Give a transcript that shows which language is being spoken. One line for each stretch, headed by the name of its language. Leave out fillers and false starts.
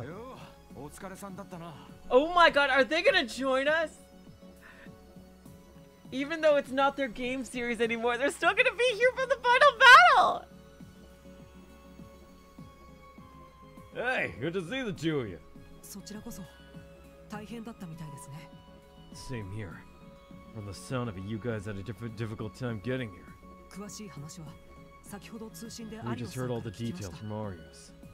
English: Estelle, Joshua! Oh my god, are they gonna join us? Even though it's not their game series anymore, they're still gonna be here for the final battle! Hey, good to see the two of you.
Japanese: そちらこそ大変だったみたいですね.
English: Same here. From the sound of it, you guys had a difficult time getting here.
Japanese: 詳しい話は先ほど通信で
English: We just heard all the details from Arius.